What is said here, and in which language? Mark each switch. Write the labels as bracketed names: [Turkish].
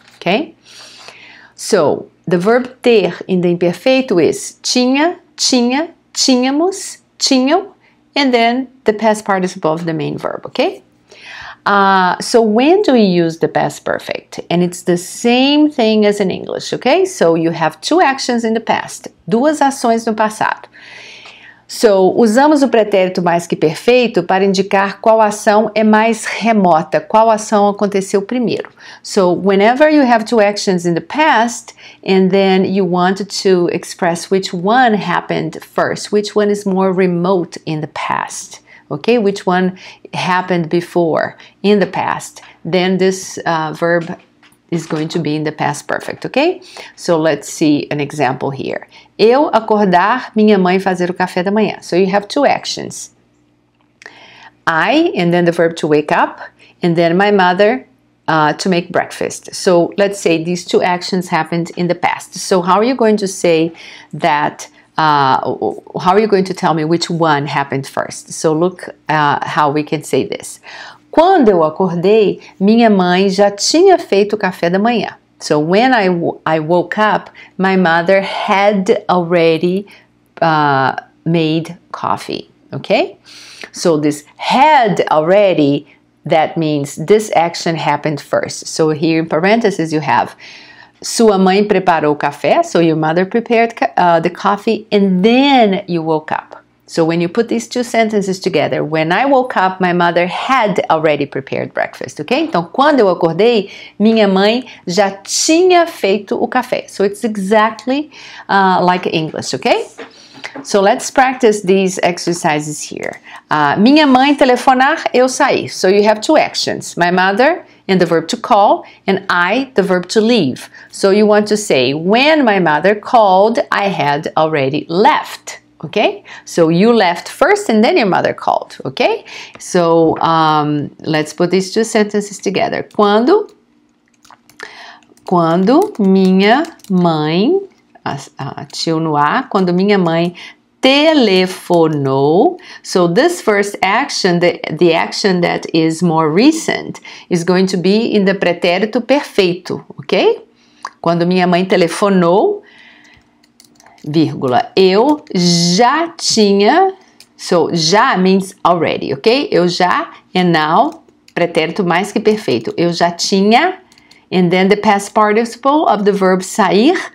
[English] Okay? So the verb ter in the imperfeito is tinha, tinha, tínhamos, tinham, and then the past participle of the main verb. Okay? So when do we use the past perfect? And it's the same thing as in English, okay? So you have two actions in the past, [Portuguese] duas ações no passado. So usamos o pretérito mais que perfeito para indicar qual ação é mais remota, qual ação aconteceu primeiro. [English] So whenever you have two actions in the past, and then you want to express which one happened first, which one is more remote in the past. Okay, which one happened before, in the past, then this verb is going to be in the past perfect, okay? So let's see an example here. [Portuguese] Eu acordar minha mãe fazer o café da manhã. [English] So you have two actions. I, and then the verb to wake up, and then my mother to make breakfast. So let's say these two actions happened in the past. So how are you going to say that? How are you going to tell me which one happened first? So look how we can say this. [Portuguese] Quando eu acordei, minha mãe já tinha feito o café da manhã. [English] So when I woke up, my mother had already made coffee. Okay? So this had already, that means this action happened first. So here in parentheses you have [Portuguese] sua mãe preparou o café, [English] so your mother prepared the coffee, and then you woke up. So when you put these two sentences together, when I woke up, my mother had already prepared breakfast, okay? [Portuguese] Então, quando eu acordei, minha mãe já tinha feito o café. [English] So it's exactly like English, okay? So let's practice these exercises here. [Portuguese] Minha mãe telefonar, eu saí. [English] So you have two actions. My mother and the verb to call, and I, the verb to leave. So you want to say, when my mother called, I had already left, okay? So you left first and then your mother called, okay? So let's put these two sentences together. [Portuguese] Quando minha mãe, tio no ar, quando minha mãe telefonou. [English] So this first action, the action that is more recent, is going to be in the pretérito perfeito, okay? [Portuguese] Quando minha mãe telefonou, vírgula, eu já tinha. [English] So já means already, okay? [Portuguese] Eu já, [English] and now, pretérito mais que perfeito. Eu já tinha, and then the past participle of the verb sair.